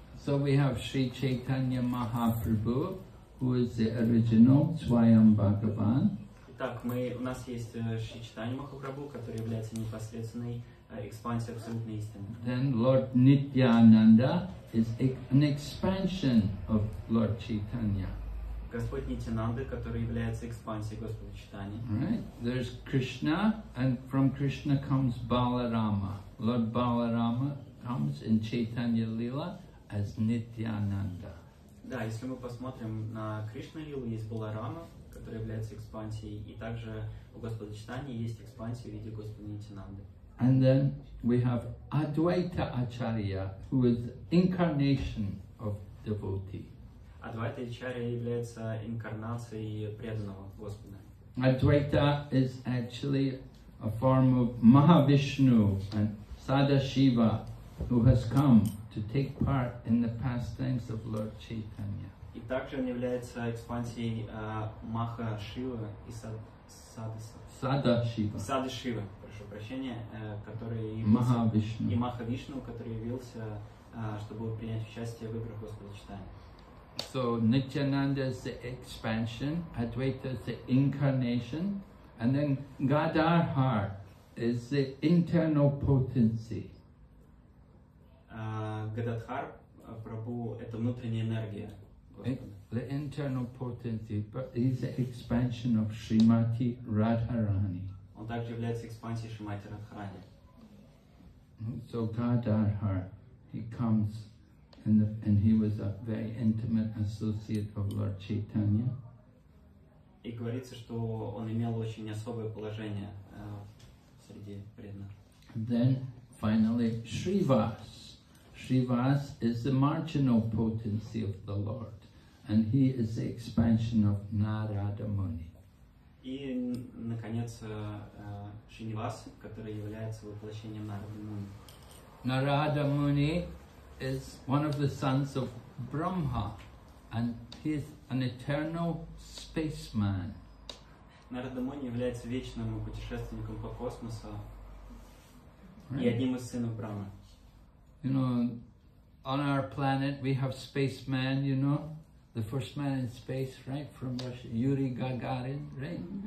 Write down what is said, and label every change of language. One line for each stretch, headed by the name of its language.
English: So we have Sri Chaitanya Mahaprabhu, who is the original Swayam Bhagavan.
Russian: Итак, у нас есть Шри Чайтанья Махапрабху, который является непосредственной экспансией абсолютной истины.
English: Then Lord Nityananda is an expansion of Lord Chaitanya.
Russian: Господь Нитьянанда, который является экспансией Господа Чайтаньи.
English: Right. There's Krishna, and from Krishna comes Balarama. Lord Balarama comes in Chaitanya Lila. As Nityananda.
Russian: Да, если мы посмотрим на Кришна Лилу, есть Баларама, который является экспансией, и также у Господа Чайтаньи есть экспансия в виде Господа Нитьянанды.
English: And then we have Advaita Acharya, who is incarnation of devotee.
Russian: Advaita Acharya является инкарнацией преданного Господа.
English: Advaita is actually a form of Mahavishnu and Sadashiva, who has come to take part in the pastimes of Lord Chaitanya.
Russian: И также он является экспансией Маха Шива и Сада Шива, прошу прощения, Маха Вишну, который явился, чтобы принять участие в играх Господа Чайтаньи.
English: So Nityananda is the expansion, Advaita is the incarnation, and then Gadarhar is the internal potency.
Russian: Гададхар, Прабху, это внутренняя энергия Господа.
English: The internal potency, but is the expansion of Shrimati Radharani.
Russian: Он также является экспансией Шримати Радхарани.
English: So Gadarhar, he comes, and he was a very intimate associate of Lord Chaitanya.
Russian: И говорится, что он имел очень особое положение среди преданных.
English: Then, finally, Shrivas. Shrivas is the marginal potency of the Lord, and he is the expansion of Narada Muni.
Russian: И наконец Шринивас, который является воплощением Нарада Муни.
English: Narada Muni is one of the sons of Brahma, and he is an eternal spaceman.
Russian: Нарадамуни является вечным путешественником по космосу и одним из сынов Брамы.
English: You know, on our planet we have spaceman, you know, the first man in space, right, from Russia, Yuri Gagarin, right?